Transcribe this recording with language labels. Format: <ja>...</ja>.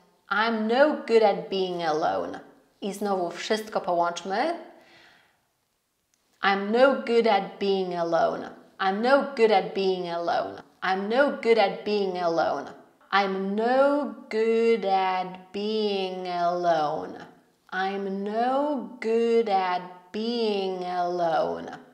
<en>I'm no good at being alone.</en> <pl>I znowu wszystko połączmy.</pl> <en>I'm no good at being alone. I'm no good at being alone. I'm no good at being alone. I'm no good at being alone. I'm no good at being alone.</en>